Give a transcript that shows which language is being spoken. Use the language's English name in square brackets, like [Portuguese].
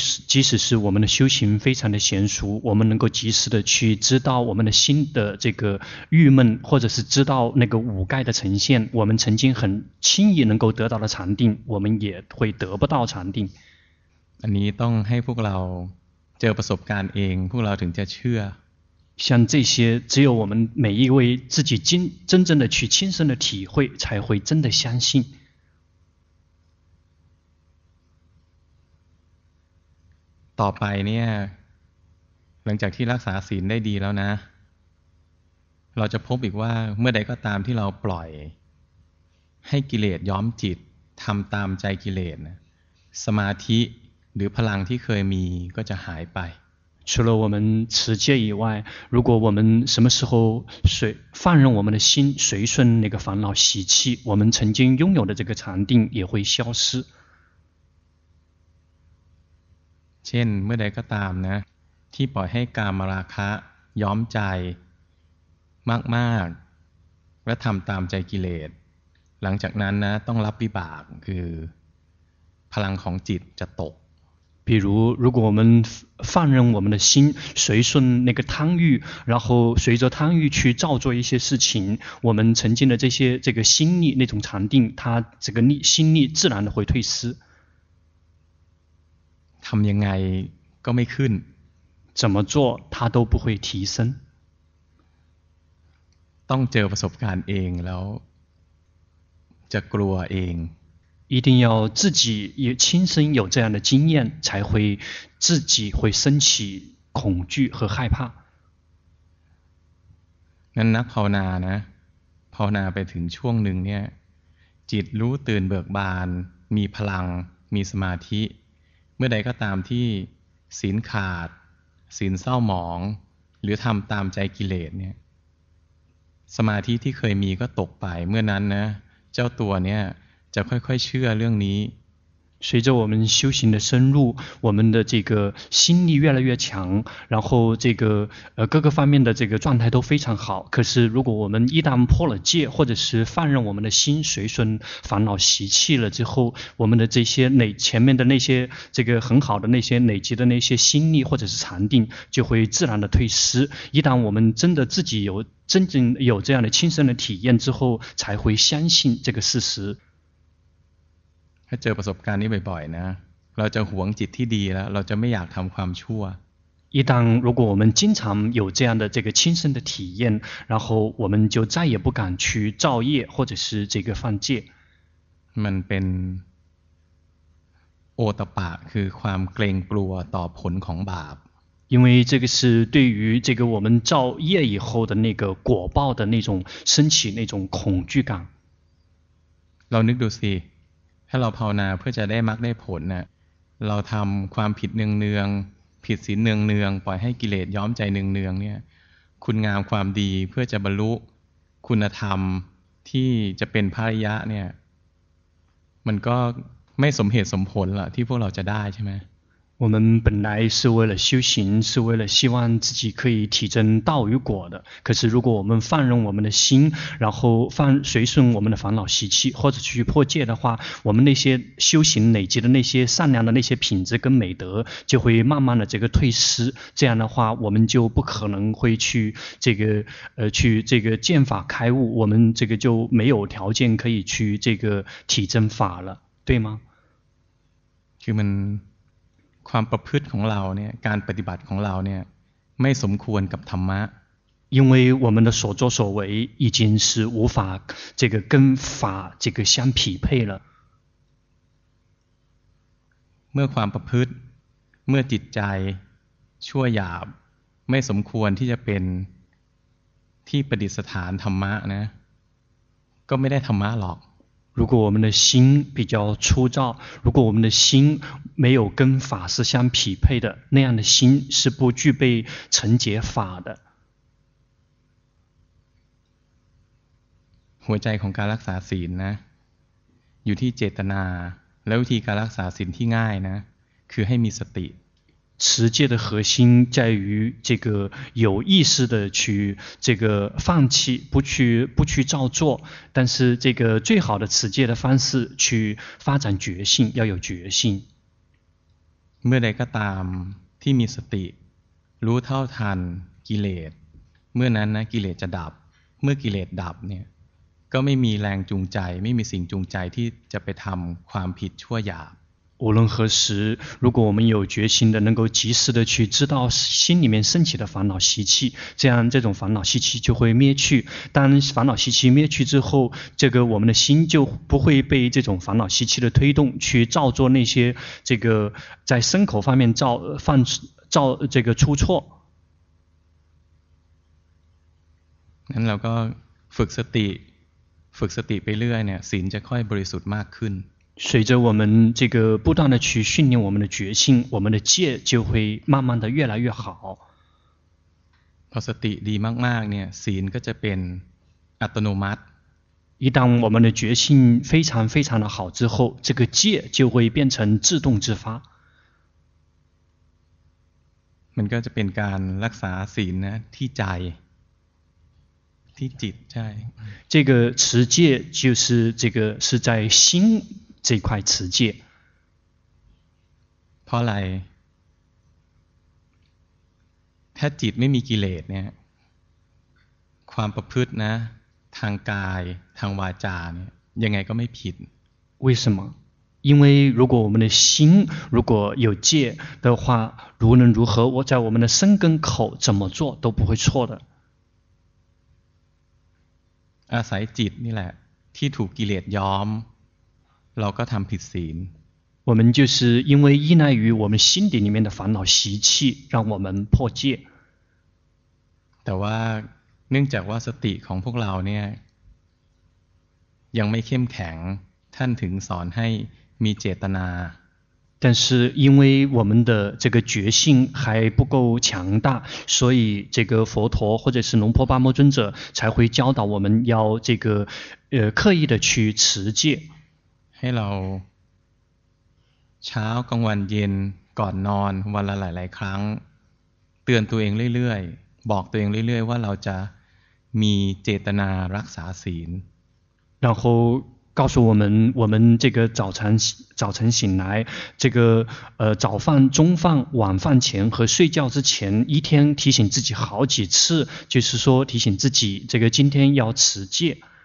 [Chinese] 即使是我们的修行非常的娴熟我们能够及时的去知道我们的心的这个郁闷或者是知道那个五盖的呈现我们曾经很轻易能够得到的禅定我们也会得不到禅定 [Thai] อันนี้ต้องให้พวกเราเจอประสบการณ์เองพวกเราถึงจะเชื่อ [Chinese] 像这些只有我们每一位自己真正的去亲身的体会才会真的相信 [Thai] ต่อไปเนี่ยหลังจากที่รักษาศีลได้ดีแล้วนะเราจะพบอีกว่าเมื่อใดก็ตามที่เราปล่อยให้กิเลสย้อมจิตทำตามใจกิเลสสมาธิหรือพลังที่เคยมีก็จะหายไป [Chinese] 除了我们持戒以外如果我们什么时候随放任我们的心随顺那个烦恼习气我们曾经拥有的这个禅定也会消失 [Thai] เช่นเมื่อใดก็ตามนะที่ปล่อยให้กามราคะย้อมใจมากๆและทำตามใจกิเลสหลังจากนั้นนะต้องรับวิบากคือพลังของจิตจะตก [Chinese] 比如如果我们放任我们的心随顺那个贪欲然后随着贪欲去造作一些事情我们曾经的这些这个心力那种禅定它这个力心力自然的会退失 [Thai] ทำยังไงก็ไม่ขึ้น [Chinese] 怎么做它都不会提升 [Thai] ต้องเจอประสบการณ์เองแล้วจะกลัวเอง [Chinese] 一定要自己也亲身有这样的经验才会自己会升起恐惧和害怕 [Thai] นั้นนักภาวนานะภาวนาไปถึงช่วงหนึ่งเนี่ยจิตรู้ตื่นเบิกบานมีพลังมีสมาธิเมื่อใดก็ตามที่ศีลขาดศีลเศร้าหมองหรือทำตามใจกิเลสเนี่ยสมาธิที่เคยมีก็ตกไปเมื่อนั้นนะเจ้าตัวเนี่ยจะค่อยๆเชื่อเรื่องนี้ [Chinese] 随着我们修行的深入我们的这个心力越来越强然后这个各个方面的这个状态都非常好可是如果我们一旦破了戒或者是放任我们的心随顺烦恼习气了之后我们的这些前面的那些这个很好的那些累积的那些心力或者是禅定就会自然的退失一旦我们真的自己有真正有这样的亲身的体验之后才会相信这个事实 [Thai] ถ้าเจอประสบการณ์นี้บ่อยๆนะเราจะหวงจิตที่ดีแล้วเราจะไม่อยากทำความชั่ว [Chinese] 一旦如果我们经常有这样的这个亲身的体验然后我们就再也不敢去造业或者是这个犯戒 [Thai] มันเป็นโอตปะคือความเกรงกลัวต่อผลของบาป [Chinese] 因为这个是对于这个我们造业以后的那个果报的那种升起那种恐惧感 [Thai] เรานึกดูสิถ้าเราภาวนาเพื่อจะได้มรรคได้ผลน่ะเราทำความผิดเนืองๆผิดศีลเนืองๆปล่อยให้กิเลสย้อมใจเนืองๆเนี่ยคุณงามความดีเพื่อจะบรรลุคุณธรรมที่จะเป็นพระอริยะเนี่ยมันก็ไม่สมเหตุสมผลล่ะที่พวกเราจะได้ใช่ไหม [Chinese] 我们本来是为了修行是为了希望自己可以体证道与果的可是如果我们放任我们的心然后随顺我们的烦恼习气或者去破戒的话我们那些修行累积的那些善良的那些品质跟美德就会慢慢的这个退失这样的话我们就不可能会去这个去这个见法开悟我们这个就没有条件可以去这个体证法了对吗请问 [Thai] ความประพฤติของเราเนี่ยการปฏิบัติของเราเนี่ยไม่สมควรกับธรรมะ [Chinese] 因为我们的所作所为已经是无法这个跟法这个相匹配了 [Thai] เมื่อความประพฤติเมื่อจิตใจชั่วหยาบไม่สมควรที่จะเป็นที่ประดิษฐานธรรมะนะก็ไม่ได้ธรรมะหรอก [Chinese] 如果我们的心比较粗糙，如果我们的心没有跟法是相匹配的，那样的心是不具备承接法的。 [Thai] หัวใจของการรักษาศีลนะอยู่ที่เจตนาและวิธีการรักษาศีลที่ง่ายนะคือให้มีสติ [Chinese] 持戒的核心在于这个有意识的去这个放弃不去照做，但是这个最好的持戒的方式去发展觉性，要有觉性。 [Thai] เมื่อใดก็ตามที่มีสติรู้เท่าทันกิเลสเมื่อนั้นนะกิเลสจะดับเมื่อกิเลสดับเนี่ยก็ไม่มีแรงจูงใจไม่มีสิ่งจูงใจที่จะไปทำความผิดชั่วหยาบ [Chinese] 无论何时，如果我们有决心的，能够及时的去知道心里面升起的烦恼习气，这样这种烦恼习气就会灭去。当烦恼习气灭去之后，这个我们的心就不会被这种烦恼习气的推动去造作那些这个在身口方面造这个出错。那 [Thai] เราก็ฝึกสติไปเรื่อยเนี่ยศีลจะค่อยบริสุทธิ์มากขึ้น。 [Chinese] 随着我们这个不断的去训练我们的觉性，我们的戒就会慢慢的越来越好。 [Thai] พอสติดีมากๆเนี่ยศีลก็จะเป็นอัตโนมัติ [Chinese] 一旦我们的觉性非常非常的好之后，这个戒就会变成自动自发。 [Thai] มันก็จะเป็นการรักษาศีลนะที่ใจที่จิตใช่ [Chinese] 这个持戒就是这个是在心这块持戒， [Thai] เพราะอะไรถ้าจิตไม่มีกิเลสเนี่ยความประพฤตินะทางกายทางวาจาเนี่ยยังไงก็ไม่ผิด [Chinese] 为什么因为如果我们的心如果有戒的话无论如何我在我们的身跟口怎么做都不会错的 [Thai] อาศัยจิตนี่แหละที่ถูกกิเลสยอมเราก็ทำผิดศีล [Chinese] 我们就是因为依赖于我们心底里面的烦恼习气让我们破戒 [Thai] แต่ว่าเนื่องจากว่าสติของพวกเราเนี่ยยังไม่เข้มแข็งท่านถึงสอนให้มีเจตนา [Chinese] 但是因为我们的这个觉性还不够强大所以这个佛陀或者是龙婆巴摩尊者才会教导我们要这个刻意的去持戒 [Thai] ให้เราเช้ากลางวันเย็นก่อนนอนวันละหลายๆครั้งเตือนตัวเองเรื่อยๆบอกตัวเองเรื่อยๆว่าเราจะมีเจตนารักษาศีล [Chinese] 然后告诉我们这个早晨醒来这个早饭中饭晚饭前和睡觉之前一天提醒自己好几次就是说提醒自己这个今天要持戒